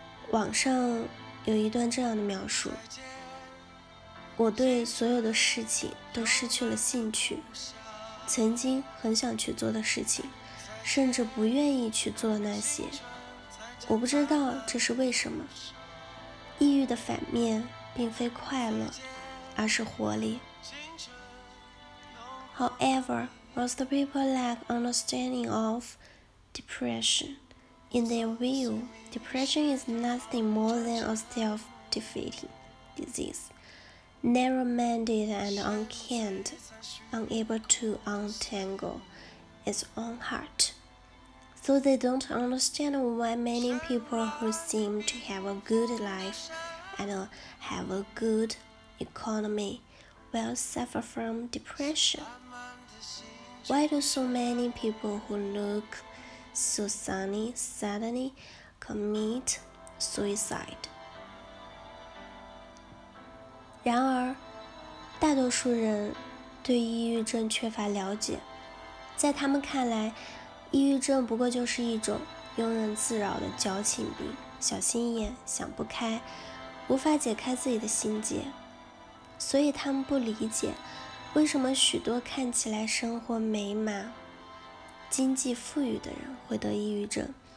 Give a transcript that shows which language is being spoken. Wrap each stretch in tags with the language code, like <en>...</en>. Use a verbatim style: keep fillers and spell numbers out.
<zh>网上有一段这样的描述，我对所有的事情都失去了兴趣，曾经很想去做的事情，甚至不愿意去做那些，我不知道这是为什么。抑郁的反面并非快乐，而是活力。</zh> <en>However, most people lack understanding of depression. In their view, depression is nothing more than a self-defeating disease, narrow-minded and unkempt, unable to untangle its own heart. So they don't understand why many people who seem to have a good life and have a good economy will suffer from depression. Why do so many people who look so sunny suddenly commit suicide?</en> <zh>然而，大多数人对抑郁症缺乏了解，在他们看来，抑郁症不过就是一种庸人自扰的矫情病，小心眼，想不开，无法解开自己的心结，所以他们不理解为什么许多看起来生活美满、经济富裕的人会得抑郁症？</zh>